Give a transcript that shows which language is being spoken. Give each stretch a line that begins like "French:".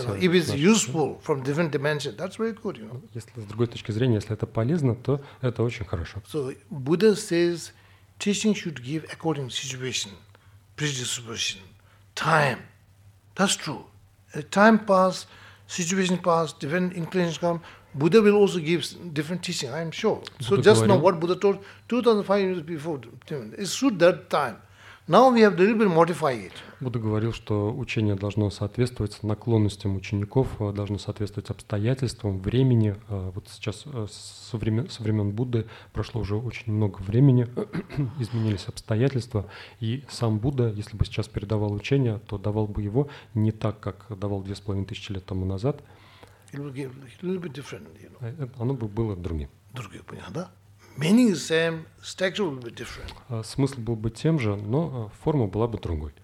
English: You know, if it's useful from different dimension, that's very good, you know.
Russian: Если с другой точки зрения, если это полезно, то это очень хорошо.
English: So Buddha says teaching should give according to situation. Predisposition, time. That's true. Time pass, situation pass, different inclinations come. Buddha will also give different teaching, I'm sure. So just now what Buddha told 2,500 years before, it suit that time. Now we have to deliberately modify it.
Russian: Будда говорил, что учение должно соответствовать наклонностям учеников, должно соответствовать обстоятельствам, времени. Вот сейчас со времен Будды прошло уже очень много времени, изменились обстоятельства. И сам Будда, если бы сейчас передавал учение, то давал бы его не так, как давал 2500 лет тому назад.
English: It would be a little bit different, you know.
Russian: Оно бы было другим. Другое, понятно, да?
English: Meaning the same, structure will be different.
Russian: Смысл был бы тем же, но форма была бы другой.